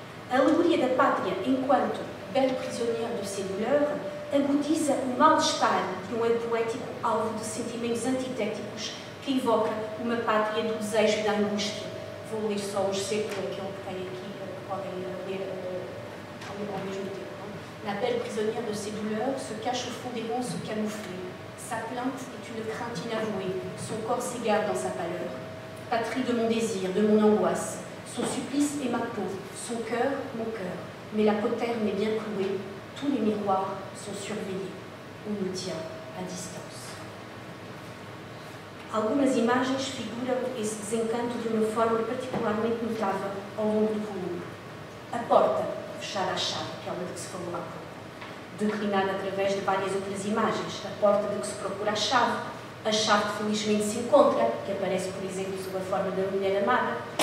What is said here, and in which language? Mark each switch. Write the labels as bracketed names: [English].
[Portuguese] A alegoria da pátria, enquanto [French] belle prisonnière de ses douleurs, [Portuguese] agudiza o mal-estar de um eu poético alvo de sentimentos antitéticos que evoca uma pátria do desejo e da angústia. Vou ler só um excerto, aquele que tem aqui, podem ler ao mesmo tempo. Hein? [French] La belle prisonnière de ses douleurs se cache au fond des monts se camoufler. Sa plainte est une crainte inavouée, son corps s'égare dans sa pâleur. Patrie de mon désir, de mon angoisse, son supplice est ma peau, son cœur, mon cœur. Mais la poterne est bien clouée. Tous les miroirs sont surveillés, on nous tient à distance. [Portuguese] Algumas imagens figuram esse desencanto de uma forma particularmente notável ao longo do volume. A porta, fechada à chave, aquela de que se falou há pouco, declinada através de várias outras imagens. A porta de que se procura a chave que felizmente se encontra, que aparece, por exemplo, sob a forma da mulher amada.